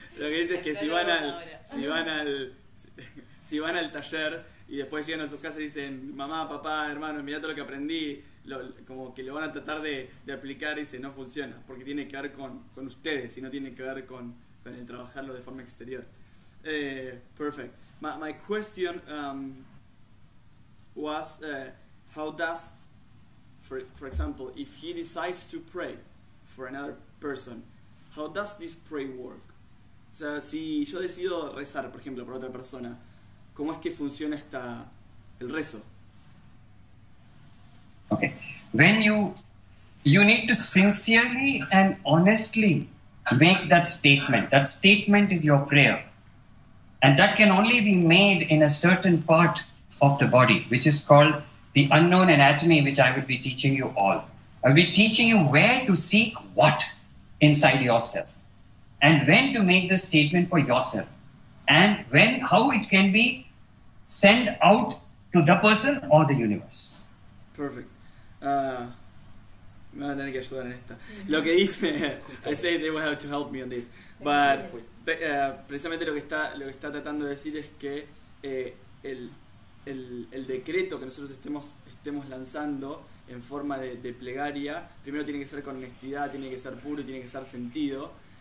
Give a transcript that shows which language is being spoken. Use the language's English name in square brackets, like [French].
[Spanish] Lo que dice es que si van al taller y después llegan a sus casas y dicen, mamá, papá, hermano, mirá todo lo que aprendí, como que lo van a tratar de aplicar, y dice, no funciona, porque tiene que ver con ustedes y no tiene que ver con el trabajarlo de forma exterior. [English] Perfect. My question was, how does, for example, if he decides to pray for another person, how does this prayer work? [Spanish] O sea, si yo decido rezar, por ejemplo, por otra persona, ¿cómo es que funciona el rezo? [English] Okay. When you need to sincerely and honestly make that statement. That statement is your prayer. And that can only be made in a certain part of the body, which is called the unknown anatomy, which I will be teaching you all. I'll be teaching you where to seek what inside yourself, and when to make the statement for yourself, and when, how it can be sent out to the person or the universe. Perfect. [Spanish] Me van a tener que ayudar en esta. Lo que dice, [English] I say they will have to help me on this, [Spanish] but precisamente lo que está tratando de decir es que el decreto que nosotros estemos lanzando en forma de plegaria, primero tiene que ser con honestidad, tiene que ser puro, tiene que ser sentido,